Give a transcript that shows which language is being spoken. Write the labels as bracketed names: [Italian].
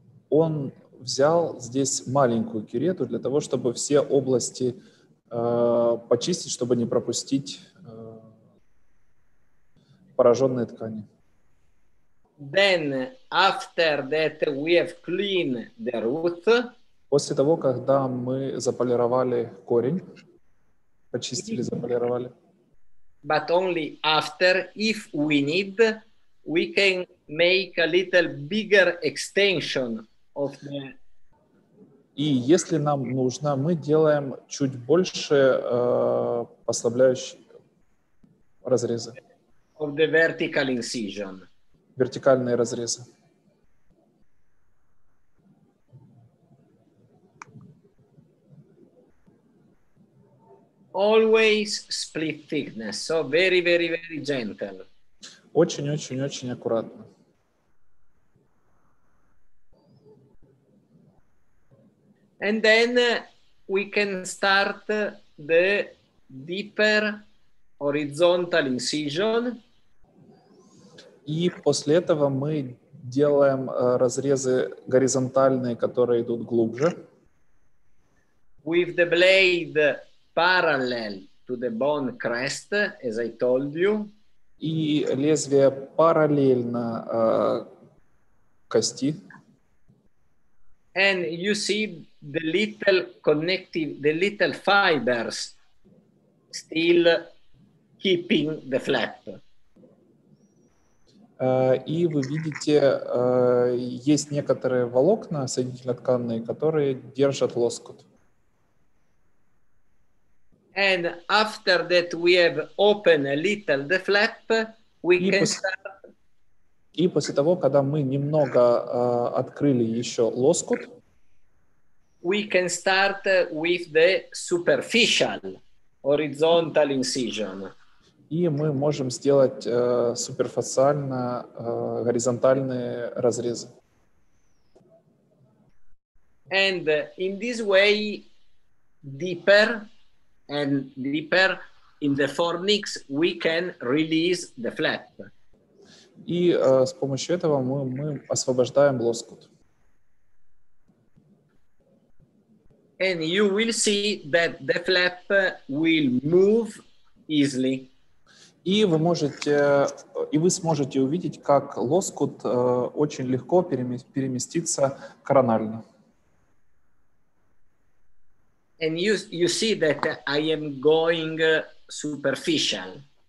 [Russian] он взял здесь маленькую кюрету для того, чтобы все области почистить, чтобы не пропустить пораженные ткани. [English] Then, after that, we have cleaned the root. [Russian] После того, когда мы заполировали корень, почистили, заполировали. [English] But only after, if we need, we can make a little bigger extension of the... [Russian] И если нам нужно, мы делаем чуть больше послабляющие разрезы. [English] Of the vertical incision. [Russian] Вертикальные разрезы. [English] Always split thickness, so very, very, very gentle. [Russian] Очень-очень-очень аккуратно. [English] And then we can start the deeper horizontal incision. [Russian] И после этого мы делаем разрезы горизонтальные, которые идут глубже. [English] With the blade parallel to the bone crest, as I told you. [Russian] И лезвие параллельно кости. [English] And you see the little connective, the little fibers still keeping the flap. [Russian] И вы видите, есть некоторые волокна соединительно-тканные, которые держат лоскут. [English] And after that we have opened a little the flap, we can start. [Russian] И после того, когда мы немного открыли еще лоскут, [English] we can start with the superficial horizontal incision. [Russian] И мы можем сделать суперфациально горизонтальные разрезы. [English] And in this way deeper and deeper in the fornix we can release the flap. [Russian] И с помощью этого мы освобождаем лоскут. [English] And you will see that the flap will move easily. [Russian] И вы можете, и вы сможете увидеть, как лоскут очень легко переместится коронально. [English] And you see that I am going superficial.